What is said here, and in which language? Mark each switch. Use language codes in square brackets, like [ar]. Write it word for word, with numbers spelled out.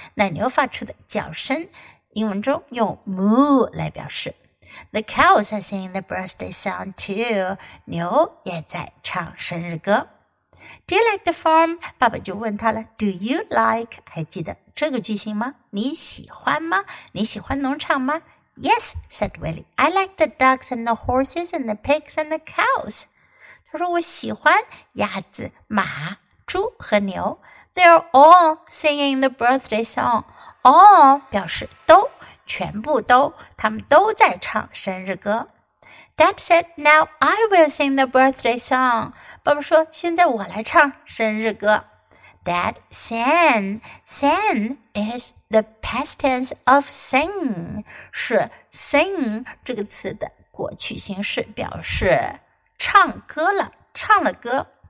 [zh] 奶牛发出的叫声，英文中用 moo 来表示。 [en] The cows are singing the birthday song too. [zh] 牛也在唱生日歌。 [en] Do you like the farm? [zh] 爸爸就问他了 [en] Do you like? [zh] 还记得这个句型吗？你喜欢吗？你喜欢农场吗？ [en] Yes, said Willie. I like the ducks and the horses and the pigs and the cows. [zh] 他说我喜欢鸭子、马。猪和牛 [en] They are all singing the birthday song. [zh] All 表示都，全部都，他们都在唱生日歌。 [en] Dad said, now I will sing the birthday song. [zh] 爸爸说，现在我来唱生日歌。 [en] Dad sang. Sang is the past tense of sing. [zh] 是 sing 这个词的过去形式，表示唱歌了，唱了歌。